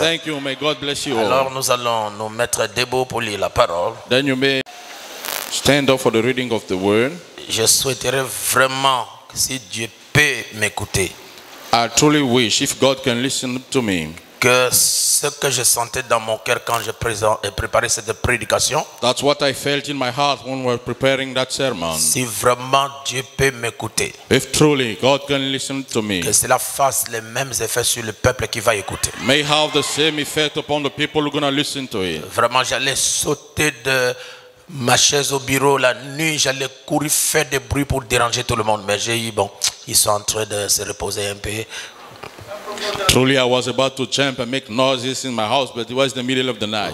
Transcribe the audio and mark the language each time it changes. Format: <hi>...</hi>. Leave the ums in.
<fr>Alors nous allons nous mettre debout pour lire la parole.</fr> <en>Stand up for the reading of the word.</en> <fr>Je souhaiterais vraiment que si Dieu peut m'écouter.</fr> <en>I truly wish if God can listen to me.</en> <fr>Que ce que je sentais dans mon cœur quand je présentais et préparais cette prédication.</fr> <en>That's what I felt in my heart when we were preparing that sermon.</en> <fr>Si vraiment Dieu peut m'écouter.</fr> <en>If truly God can listen to me.</en> <fr>Que cela fasse les mêmes effets sur le peuple qui va écouter.</fr> <en>May have the same effect upon the people who are gonna listen to it.</en> <fr>Vraiment j'allais sauter de ma chaise au bureau la nuit, j'allais courir, faire des bruits pour déranger tout le monde. Mais j'ai eu, bon, ils sont en train de se reposer un peu.</fr> <en>Truly, I was about to jump and make noises in my house, but it was the middle of the night.</en>